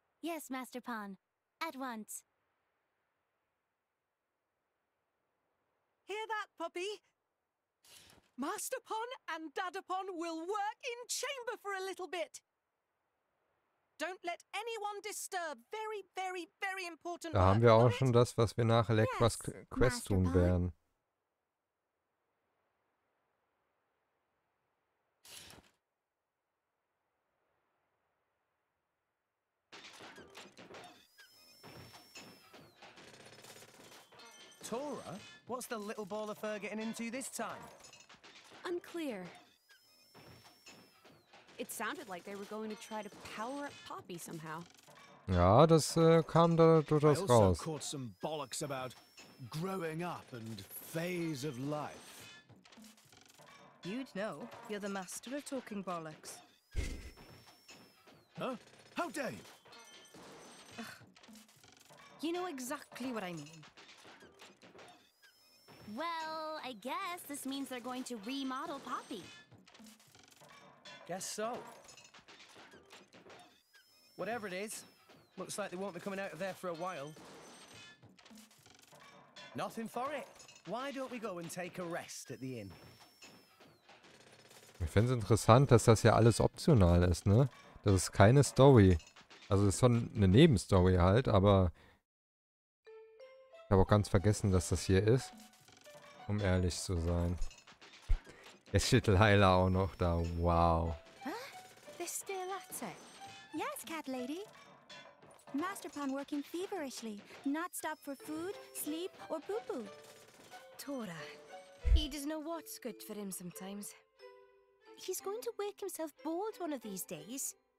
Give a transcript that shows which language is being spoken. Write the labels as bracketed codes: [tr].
[en] Yes, Master Pon. At once. Hear that, Poppy? Master Pon and Dadapon will work in chamber for a little bit. Don't let anyone disturb. Very, very, very important. [de] Da haben wir auch schon das, was wir nach Electra's Quest tun werden. [en] Tora, what's the little ball of fur getting into this time? Unclear. It sounded like they were going to try to power up Poppy somehow. [de] Ja, das kam da durchaus raus. [en] I also caught some bollocks about growing up and phase of life. You'd know. You're the master of talking bollocks. Huh? How dare you? Ugh. You know exactly what I mean. Well, I guess this means they're going to remodel Poppy. Guess so. Whatever it is, looks like they won't be coming out of there for a while. Nothing for it. Why don't we go and take a rest at the inn? [de] Ich finde es interessant, dass das ja alles optional ist, ne? Das ist keine Story. Also es ist schon eine Nebenstory halt, aber ich habe auch ganz vergessen, dass das hier ist. Um ehrlich zu sein. Es steht Lila auch noch da. Wow. [en] Huh? They're still at it. Yes, Cat Lady. Master Pon working feverishly. Not stop for food, sleep, or poo-poo. Tora. He does know what's good for him sometimes. He's going to work himself bald one of these days.